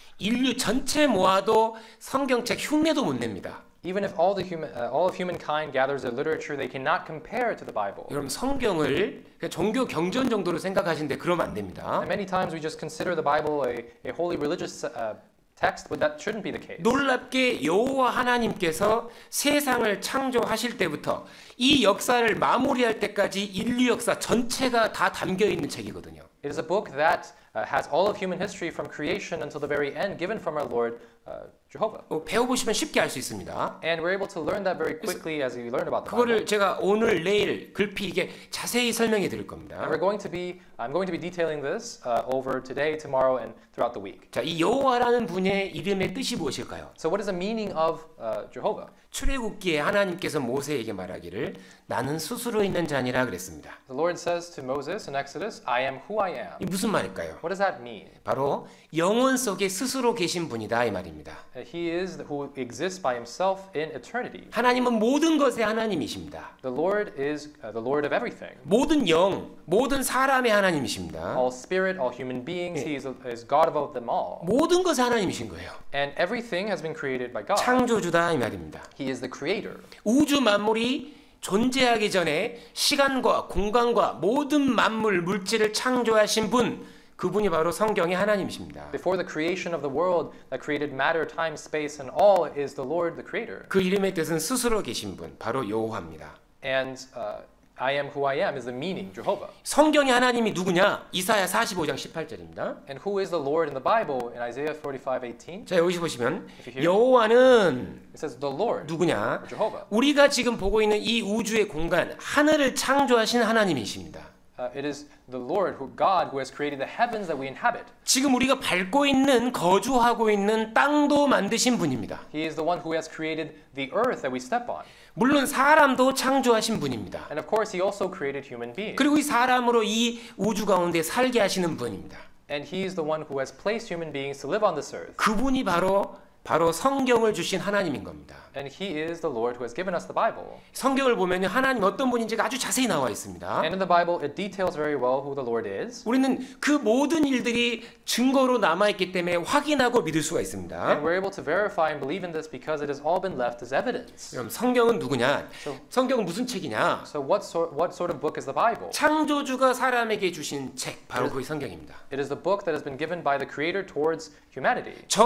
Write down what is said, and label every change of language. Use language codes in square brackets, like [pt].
[ko] 인류 전체 모아도 성경책 흉내도 못 냅니다. [en] Even if all the human all of humankind gathers their literature, they cannot compare to the Bible. [ko] 여러분 성경을 종교 경전 정도로 생각하시는데 그러면 안 됩니다. [en] And many times we just consider the Bible a holy religious text, but that shouldn't be the case. [ko] 놀랍게 여호와 하나님께서 세상을 창조하실 때부터 이 역사를 마무리할 때까지 인류 역사 전체가 다 담겨 있는 책이거든요. [en] It is a book that has all of human history from creation until the very end given from our Lord Jehovah. [ko] 배워보시면 쉽게 알 수 있습니다. [en] And we're able to learn that very quickly as we learn about the [ko] 그거를 제가 오늘 내일 글피 이게 자세히 설명해 드릴 겁니다. [en] And we're going to be I'm going to be detailing this over today, tomorrow and throughout the week. [ko] 자, 이 여호와라는 분의 이름의 뜻이 무엇일까요? [en] So what is the meaning of Jehovah? [ko] 출애굽기에 하나님께서 모세에게 말하기를 나는 스스로 있는 자니라 그랬습니다. [en] The Lord says to Moses in Exodus, I am who I am. [ko] 이 무슨 말일까요? [en] What does that mean? [ko] 바로 영원 속에 스스로 계신 분이다 이 말입니다. [en] He is who exists by himself in eternity. [ko] 하나님은 모든 것의 하나님이십니다. [en] The Lord is the Lord of everything. [ko] 모든 영, 모든 사람의 하나님이십니다. [en] All spirit, all human beings, 네. He is God above them all. [ko] 모든 것이 하나님이신 거예요. [en] And everything has been created by God. [ko] 창조주다 이 말입니다. [en] He is the creator. [ko] 우주 만물이 존재하기 전에 시간과 공간과 모든 만물 물질을 창조하신 분 그분이 바로 성경의 하나님이십니다. [en] Before the creation of the world that created matter, time, space and all is the Lord the creator. [ko] 그 이름의 뜻은 스스로 계신 분 바로 여호와입니다. [en] And I am who I am is the meaning, Jehovah. [ko] 성경의 하나님이 누구냐? 이사야 45장 18절입니다. [en] And who is the Lord in the Bible? In Isaiah 45:18. [ko] 자, 여기 보시면 여호와는 [en] it says the Lord, [ko] 누구냐? [en] Jehovah. [ko] 우리가 지금 보고 있는 이 우주의 공간, 하늘을 창조하신 하나님이십니다. [en] It is the Lord, God, who has created the heavens that we inhabit. [ko] 지금 우리가 밟고 있는 거주하고 있는 땅도 만드신 분입니다. [en] He is the one who has created the earth that we step on. [ko] 물론 사람도 창조하신 분입니다. [en] And of course, he also created human beings. [ko] 그리고 이 사람으로 이 우주 가운데 살게 하시는 분입니다. [en] And he is the one who has placed human beings to live on this earth. [ko] 그분이 바로 성경을 주신 하나님인 겁니다. [en] And he is the Lord who has given us the Bible. [ko] 성경을 보면 하나님 어떤 분인지 아주 자세히 나와 있습니다. [en] And in the Bible, it details very well who the Lord is. [ko] 우리는 그 모든 일들이 증거로 남아 있기 때문에 확인하고 믿을 수가 있습니다. [en] And we're able to verify and believe in this because it has all been left as evidence. [ko] 그럼 성경은 누구냐? 성경은 무슨 책이냐? [en] So what sort of book is the Bible? [ko] 창조주가 사람에게 주신 책, 바로 그 성경입니다. [en] It is the book that has been given by the Creator towards humanity.